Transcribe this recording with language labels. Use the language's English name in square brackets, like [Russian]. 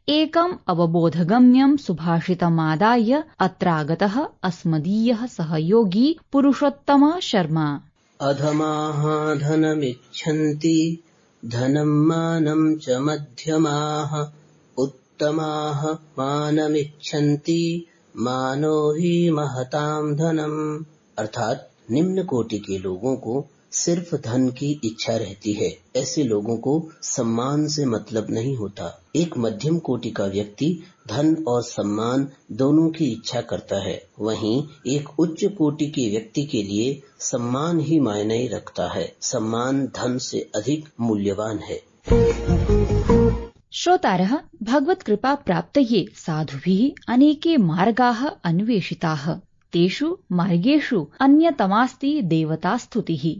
[Sanskrit] एकम् अवबोधगम्यं सुभाषितमादाय अत्रागतः अस्मदीयः सहयोगी पुरुषोत्तम शर्मा। अधमाः धनमिच्छन्ति, धनं मानं च मध्यमाः, उत्तमाः मानमिच्छन्ति, मानो हि महतां धनम्। [Hindi] अर्थात् निम्न कोटि के लोगों को सिर्फ धन की इच्छा रहती है, ऐसे लोगों को सम्मान से मतलब नहीं होता। एक मध्यम कोटि का व्यक्ति धन और सम्मान दोनों की इच्छा करता है, वहीं एक उच्च कोटि के व्यक्ति के लिए सम्मान ही मायने रखता है। सम्मान धन से अधिक मूल्यवान है। [Sanskrit] श्रोतारः, भगवत कृपा प्राप्तये साधुभिः अनेके मार्गाः अन्वेषिताः। तेषु मार्गेषु अन्यतमास्ति देवतास्तुतिः।